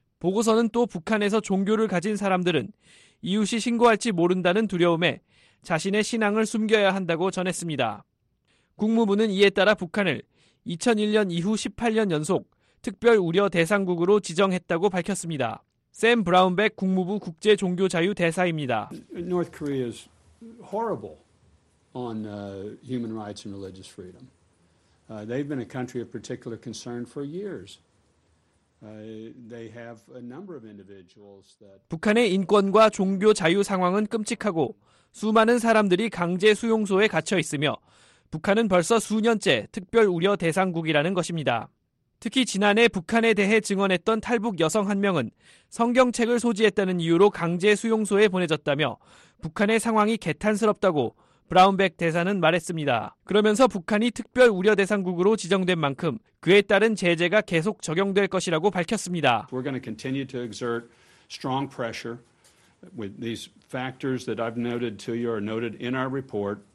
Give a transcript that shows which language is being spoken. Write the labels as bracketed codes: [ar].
[ko] 보고서는 또 북한에서 종교를 가진 사람들은 이웃이 신고할지 모른다는 두려움에 자신의 신앙을 숨겨야 한다고 전했습니다. 국무부는 이에 따라 북한을 2001년 이후 18년 연속 특별 우려 대상국으로 지정했다고 밝혔습니다. 샘 브라운백 국무부 국제 종교 자유 대사입니다. [en] North Korea is horrible on human rights and religious freedom. They've been a country of particular concern for years. They have a number of individuals that [ko] 북한의 인권과 종교 자유 상황은 끔찍하고 수많은 사람들이 강제 수용소에 갇혀 있으며 북한은 벌써 수년째 특별 우려 대상국이라는 것입니다. 특히 지난해 북한에 대해 증언했던 탈북 여성 한 명은 성경책을 소지했다는 이유로 강제 수용소에 보내졌다며 북한의 상황이 개탄스럽다고 브라운백 대사는 말했습니다. 그러면서 북한이 특별 우려 대상국으로 지정된 만큼 그에 따른 제재가 계속 적용될 것이라고 밝혔습니다. [en] We're going to continue to exert strong pressure with these factors that I've noted to you are noted in our report.